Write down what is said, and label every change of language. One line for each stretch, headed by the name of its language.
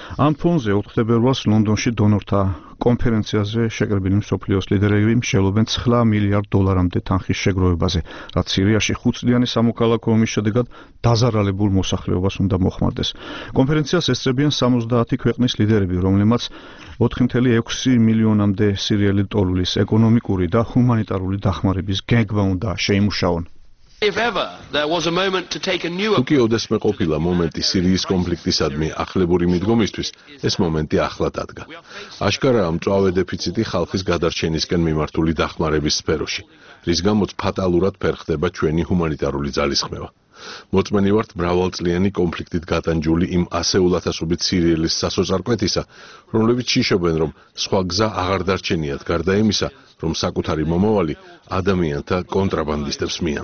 Georgian: ამ ფონზე 4 თებერვალს ლონდონში დონორთა კონფერენციაზე შეკრებილი მსოფლიოს ლიდერები მსჯელობენ 9 მილიარდ დოლარამდე თანხის შეგროვებაზე, რაც სირიაში 5-წლიანი სამოქალაქო ომის შედეგად დაზარალებულ მოსახლეობას უნდა მოხმარდეს. კონფერენციას ესწრებიან 70 ქვეყნის ლიდერები, რომლებმაც 4.6 მილიონამდე სირიელი ტოლვის ეკონომიკური და ჰუმანიტარული დახმარების გეგმა უნდა შეიმუშაონ.
English: If ever there was a moment to take a new approach.
Georgian: უკიოდესმე ყოფილა მომენტი სირიის კონფლიქტისადმი ახლებური მიდგომისთვის, ეს მომენტი ახლა დადგა. აშკარაა მწვავე დეფიციტი ხალხის გადარჩენისკენ მიმართული დახმარების სფეროში, რის გამოც ფატალურად ფერხდება ჩვენი ჰუმანიტარული ძალისხმევა. მოწმენი ვართ მრავალწლიანი კონფლიქტით გატანჯული იმ ასეულათასობით სირიელის სასოწარკვეთისა, რომლებიც ჩიშობენ, რომ სხვა გზა აღარ დარჩენიათ გარდა იმისა, რომ საკუთარი მომავალი ადამიანთა კონტრაბანდისტებს